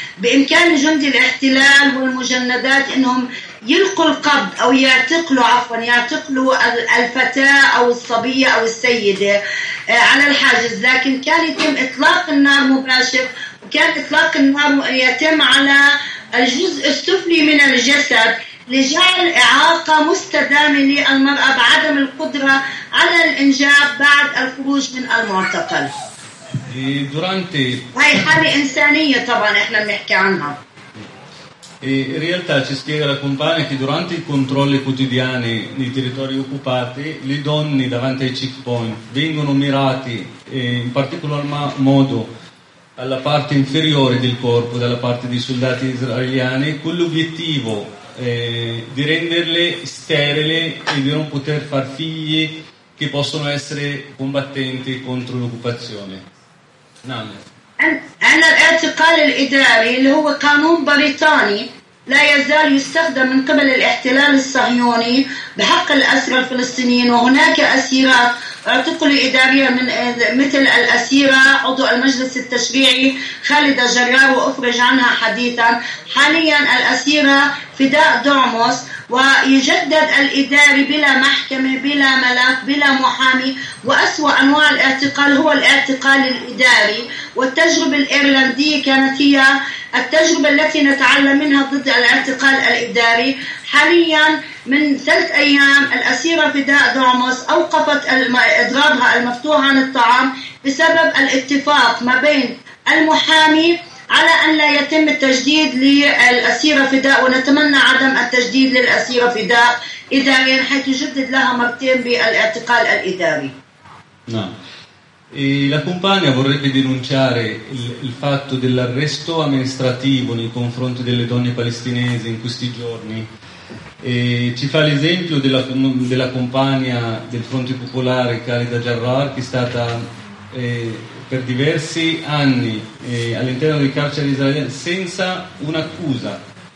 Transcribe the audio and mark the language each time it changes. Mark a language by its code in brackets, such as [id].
[ar] بإمكان جندي الاحتلال والمجندات إنهم يلقوا القبض أو يعتقلوا الفتاة أو الصبية أو السيدة على الحاجز، لكن كان يتم إطلاق النار مباشر، وكان إطلاق النار يتم على الجزء السفلي من الجسد لجعل إعاقة مستدامة للمرأة بعدم القدرة على الإنجاب بعد الخروج من المعتقل. [it] Durante... [ar] هاي حالة إنسانية طبعا إحنا بنحكي عنها. [it] In realtà ci spiega la compagna che durante i controlli quotidiani nei territori occupati le donne davanti ai checkpoint vengono mirate in particolar modo alla parte inferiore del corpo dalla parte dei soldati israeliani con l'obiettivo di renderle sterile e di non poter far figli che possono essere combattenti contro l'occupazione. Nane. [ar] عندنا الاعتقال الإداري اللي هو قانون بريطاني لا يزال يستخدم من قبل الاحتلال الصهيوني بحق الأسرى الفلسطينيين، وهناك أسيرات اعتقلوا إدارية من مثل الأسيرة عضو المجلس التشريعي خالدة جرار، وأفرج عنها حديثا. حاليا الأسيرة فداء دعموس، ويجدد الإداري بلا محكمة بلا ملف بلا محامي، وأسوأ أنواع الاعتقال هو الاعتقال الإداري. والتجربة الإيرلندية كانت هي التجربة التي نتعلم منها ضد الاعتقال الإداري. حاليا من 3 أيام الأسيرة فداء دعموس أوقفت إضرابها المفتوح عن الطعام بسبب الاتفاق ما بين المحامي على أن لا يتم التجديد للأسيرة فداء، ونتمنى عدم التجديد للأسيرة فداء إداريا حيث يجدد لها مرتين بالاعتقال الإداري. نعم. [it] E la compagna vorrebbe denunciare il fatto dell'arresto amministrativo nei confronti delle donne palestinesi in questi giorni. E ci fa l'esempio della compagna del Fronte Popolare, Khalida Jarrar, che è stata per diversi anni all'interno del carcere israeliano senza un'accusa.